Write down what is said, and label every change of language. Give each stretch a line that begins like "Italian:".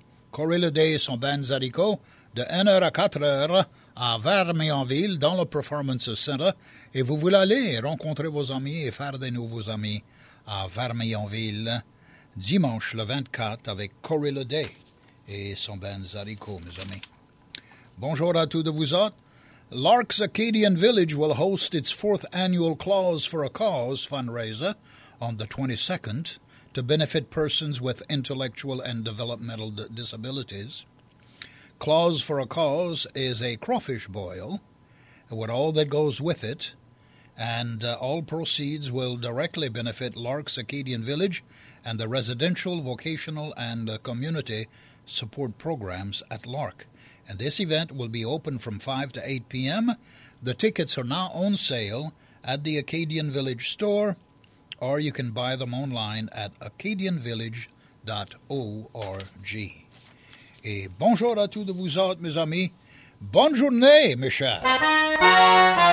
French: Corey LeDay et son band Zarico, de 1h à 4h à Vermillonville, dans le Performance Center. Et vous voulez aller rencontrer vos amis et faire des nouveaux amis à Vermillonville, dimanche le 24, avec Corey LeDay et son band Zarico, mes amis. Bonjour à tous de vous autres.
English: Lark's Acadian Village will host its fourth annual Claws for a Cause fundraiser on the 22nd to benefit persons with intellectual and developmental disabilities. Claws for a Cause is a crawfish boil with all that goes with it, and all proceeds will directly benefit Lark's Acadian Village and the residential, vocational, and community support programs at Lark. And this event will be open from 5 to 8 p.m. The tickets are now on sale at the Acadian Village store, or you can buy them online at acadianvillage.org.
French: Et bonjour à tous de vous autres, mes amis. Bonne journée, mes chers.